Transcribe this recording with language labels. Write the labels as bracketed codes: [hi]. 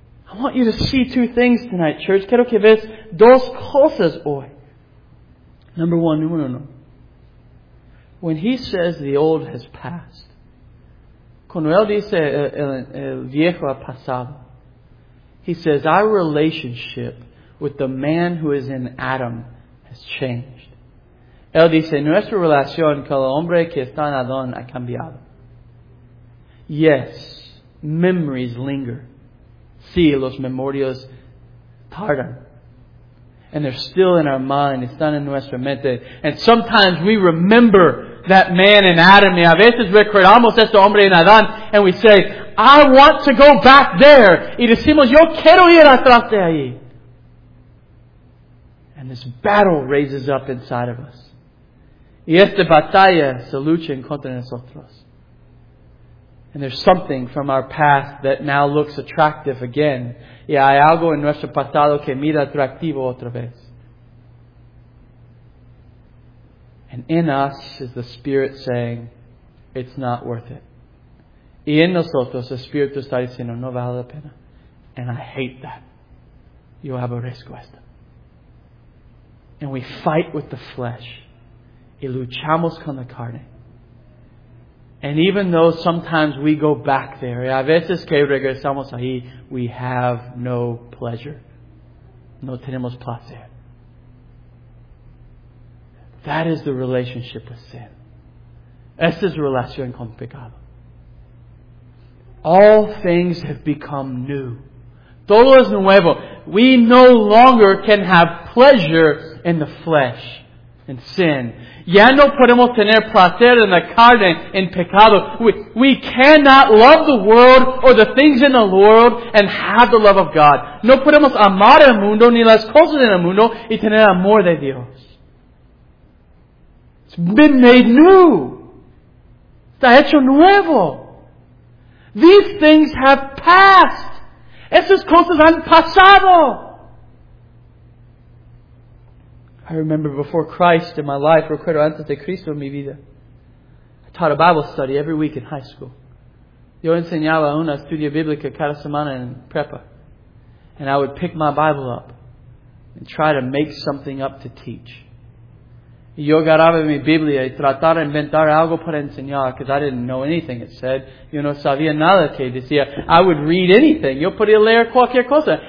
[en] I want you to see two things tonight, church. [es] Quiero que veas dos cosas hoy. [en] Number one, [es] número uno. [en] When he says the old has passed, [es] cuando él dice el viejo ha pasado, [en] he says, our relationship with the man who is in Adam has changed. [es] Él dice, nuestra relación con el hombre que está en Adán ha cambiado. [en] Yes, memories linger. [es] Sí, los memorios tardan. [en] And they're still in our mind. [es] Están en nuestra mente. [en] And sometimes we remember that man in Adam. [es] Y a veces recordamos este hombre en Adán. [en] And we say, I want to go back there. [es] Y decimos, yo quiero ir atrás de ahí. [en] And this battle raises up inside of us. [es] Y esta batalla se lucha en contra de nosotros. [en] And there's something from our past that now looks attractive again. [es] Y hay algo en nuestro pasado que mira atractivo otra vez. [en] And in us is the Spirit saying, it's not worth it. [es] Y en nosotros, el Espíritu está diciendo, no vale la pena. [en] And I hate that. [es] Yo aborrezco esto. [en] And we fight with the flesh. [es] Y luchamos con la carne. [en] And even though sometimes we go back there, [es] y a veces que regresamos ahí, [en] we have no pleasure. [es] No tenemos placer. [en] That is the relationship with sin. [es] Esa es la relación con pecado. [en] All things have become new. [es] Todo es nuevo. [en] We no longer can have pleasure in the flesh, in sin. [es] Ya no podemos tener placer en la carne, en pecado. [en] We cannot love the world or the things in the world and have the love of God. [es] No podemos amar el mundo ni las cosas en el mundo y tener amor de Dios. [en] It's been made new. [es] Está hecho nuevo. [en] These things have passed. [es] Esas cosas han pasado. [en] I remember before Christ in my life, [es] recuerdo antes de Cristo en mi vida, [en] I taught a Bible study every week in high school. [es] Yo enseñaba una estudia bíblica cada semana en prepa. [en] And I would pick my Bible up and try to make something up to teach. [es] Y yo agarraba mi Biblia y trataba de inventar algo para enseñar, [en] because I didn't know anything it said. [es] Yo no sabía nada que decía. [en] I would read anything. [es] Yo podía leer cualquier cosa.